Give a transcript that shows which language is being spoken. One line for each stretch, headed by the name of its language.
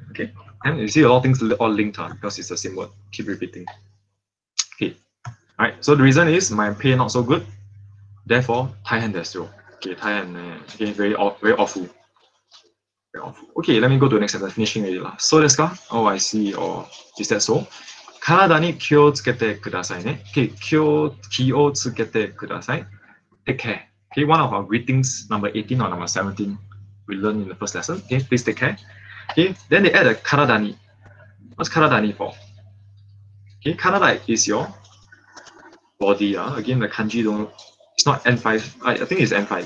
English: Okay, and you see a lot of things all linked because it's the same word. Keep repeating. Okay, all right. So the reason is my pay not so good. Therefore,
Japanese: 大変ですよ.
English: Okay, 大変, okay, very awful. Okay, let me go to the next sentence. Finishing already lah.
Japanese: So desu ka?
English: Oh, I see. Oh, is that so?
Japanese: 体に気をつけてくださいね.
English: Okay,
Japanese: 気をつけてください.
English: Take care. Okay, one of our greetings, number 18 or number 17, we learned in the first lesson. Okay, please take care. Okay, then they add a 体に.What's 体に for? Okay, 体 is your body. Again, the kanji don't. It's not N5. I think it's N5.